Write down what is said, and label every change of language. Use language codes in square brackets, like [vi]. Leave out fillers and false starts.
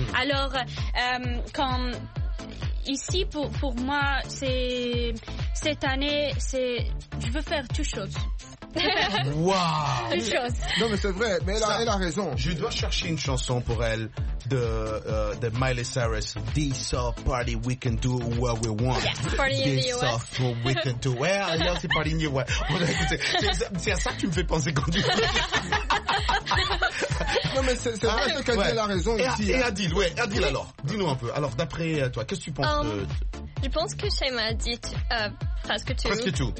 [fr] Alors, quand ici, pour moi, cette année, c'est... Je veux faire toutes choses. Waouh! Toutes choses. Non, mais c'est vrai. Mais elle a raison. Je dois chercher une chanson pour elle de Miley Cyrus. [en] This party, we can do what we want. Yeah, party in the US. This party, we can do... Ouais, yeah, c'est party in the US. [fr] C'est à ça que tu me fais penser quand tu... Non, mais c'est vrai, c'est qu'Adil a raison ici. Et Adil, alors, dis-nous un peu. Alors, d'après toi, qu'est-ce que tu penses de... Je pense que Chaima a dit presque tout.